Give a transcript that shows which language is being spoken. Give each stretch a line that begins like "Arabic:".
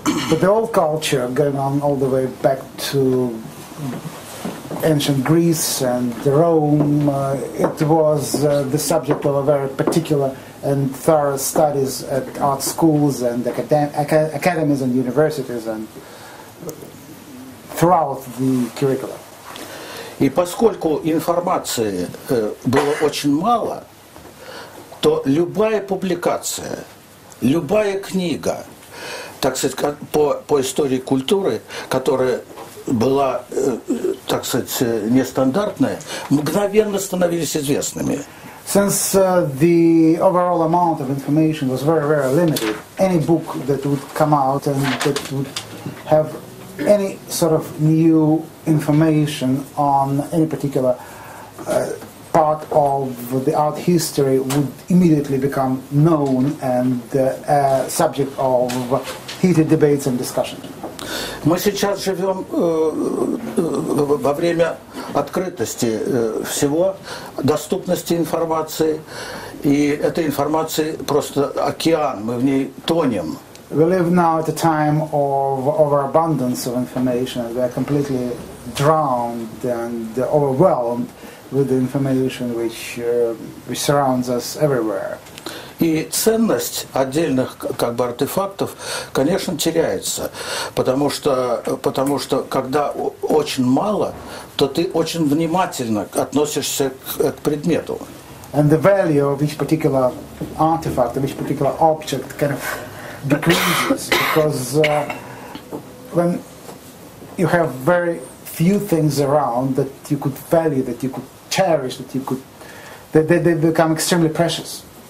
English: But the old culture, going on all the way back to ancient Greece and Rome, it was the subject of a very particular and thorough studies at art schools and academies and universities and throughout the curricula.
Russian: И поскольку информации было очень мало, то любая публикация, любая книга, так сказать, по истории культуры, которая была, так сказать, нестандартная, мгновенно становились известными.
English: Since the overall amount of information was very, very limited, any book that would come out and that would have any sort of new information on any particular part of the art history would immediately become known and a subject of heated debates and discussion.
Russian: Мы сейчас живем во время открытости всего, доступности информации, и этой информации просто океан, мы в ней тонем.
English: We live now at a time of overabundance of information. We are completely drowned and overwhelmed with the information which surrounds us everywhere.
Russian: И ценность отдельных как бы артефактов, конечно, теряется, потому что когда очень мало, то ты очень внимательно относишься к предмету.
English: And the value of each particular artifact, of each particular object, kind of decreases because when you have very few things around that you could value, that you could cherish, that you could, they become extremely precious.